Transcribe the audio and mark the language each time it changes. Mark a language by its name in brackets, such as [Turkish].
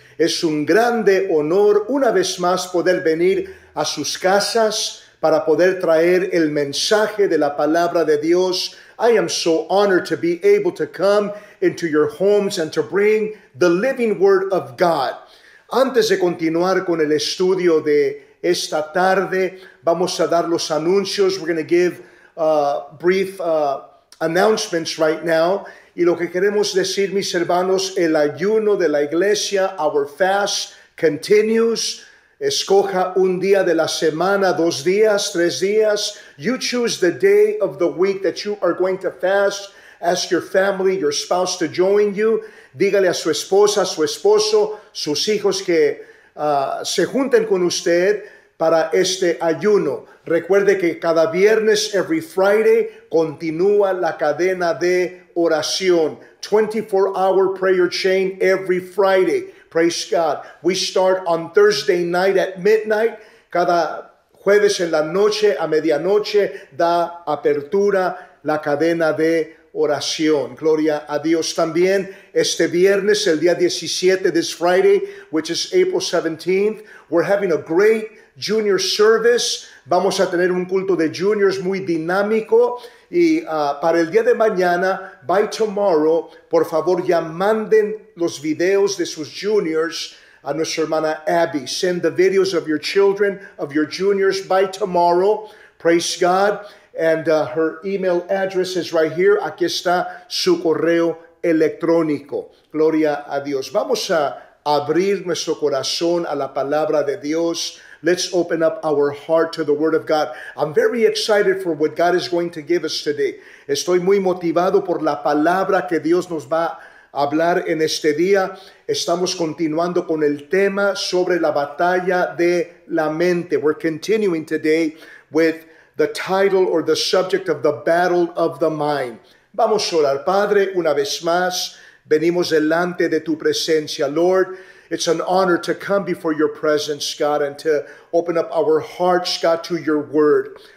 [Spanish] Es un grande honor una vez más poder venir a sus casas para poder traer el mensaje de la palabra de Dios. [English] I am so honored to be able to come into your homes and to bring the living word of God. [Spanish] Antes de continuar con el estudio de esta tarde, vamos a dar los anuncios. [English] We're going to give brief announcements right now. [Spanish] Y lo que queremos decir, mis hermanos, el ayuno de la iglesia, [English] our fast continues. [Spanish] Escoja un día de la semana, dos días, tres días. [English] You choose the day of the week that you are going to fast. Ask your family, your spouse to join you. [Spanish] Dígale a su esposa, su esposo, sus hijos que se junten con usted para este ayuno. Recuerde que cada viernes, [English] every Friday, [Spanish] continúa la cadena de oración. [English] 24-hour prayer chain every Friday. Praise God. We start on Thursday night at midnight. [Spanish] Cada jueves en la noche, a medianoche, da apertura la cadena de oración. Gloria a Dios también. Este viernes, el día 17, [English] this Friday, which is April 17th, we're having a great junior service. [Spanish] Vamos a tener un culto de juniors muy dinámico. Y para el día de mañana, [English] by tomorrow, [Spanish] por favor ya manden los videos de sus juniors a nuestra hermana Abby. [English] Send the videos of your children, of your juniors by tomorrow. Praise God. And her email address is right here. [Spanish] Aquí está su correo electrónico. Gloria a Dios. Vamos a abrir nuestro corazón a la palabra de Dios. [English] Let's open up our heart to the Word of God. I'm very excited for what God is going to give us today. [Spanish] Estoy muy motivado por la palabra que Dios nos va a hablar en este día. Estamos continuando con el tema sobre la batalla de la mente. [English] We're continuing today with the title or the subject of the battle of the mind. [Spanish] Vamos a orar. Padre, una vez más, venimos delante de tu presencia, Lord. [English] It's an honor to come before your presence, God, and to open up our hearts, God, to your word.